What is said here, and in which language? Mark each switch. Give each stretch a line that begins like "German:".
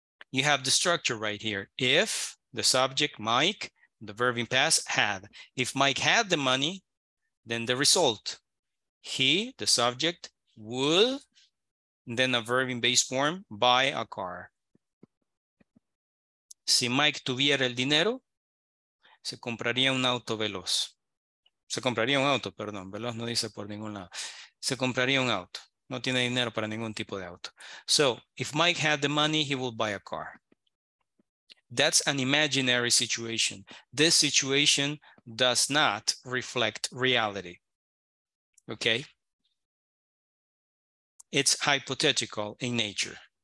English: You have the structure right here. If the subject, Mike, the verb in past, had. If Mike had the money, then the result. He, the subject, would, then a verb in base form, buy a car.
Spanish: Si Mike tuviera el dinero, se compraría un auto veloz. Se compraría un auto, perdón, veloz no dice por ningún lado. Se compraría un auto. No tiene dinero para ningún tipo de auto.
English: So, if Mike had the money, he would buy a car. That's an imaginary situation. This situation does not reflect reality. Okay? It's hypothetical in nature.